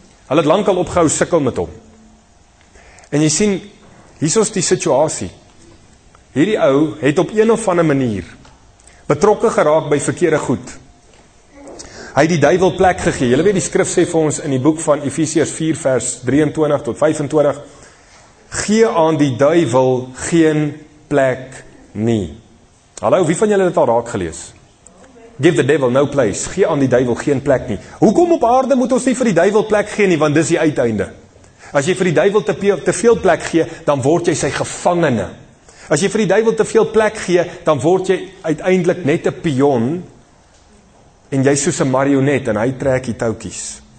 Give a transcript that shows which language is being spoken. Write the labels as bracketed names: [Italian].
[Afrikaans] Hulle het lank al opgehou sukkel met hom. En jy sien, hier is die situasie. Hierdie ou het op een of ander manier betrokke geraak by verkeerde goed. Hy het die duivel plek gegee. Julle weet die skrif sê vir ons in die boek van Efesiërs 4 vers 23 tot 25, gee aan die duivel geen plek nie. Hallo, wie van julle het al raak gelees? [English] Give the devil no place. [Afrikaans] Gee aan die duivel geen plek nie. Hoekom op aarde moet ons nie vir die duivel plek gee nie, want dis die uiteinde. As jy vir die duivel te veel plek gee, dan word jy sy gevangene. As jy vir die duivel te veel plek gee, dan word jy uiteindelik net 'n pion en jy soos 'n marionet en hy trek die touwtjies.